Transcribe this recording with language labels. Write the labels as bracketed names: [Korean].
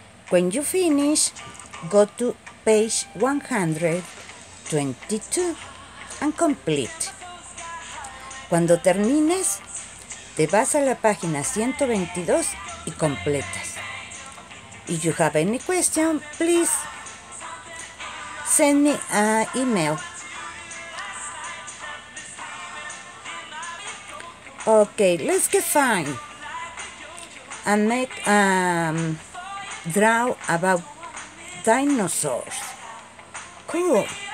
[English] When you finish, go to page 122 and complete. [Spanish] Cuando termines, te vas a la página 122 y completas. [English] If you have any question, please send me an email. Okay, let's get fine and make draw about dinosaurs. Cool.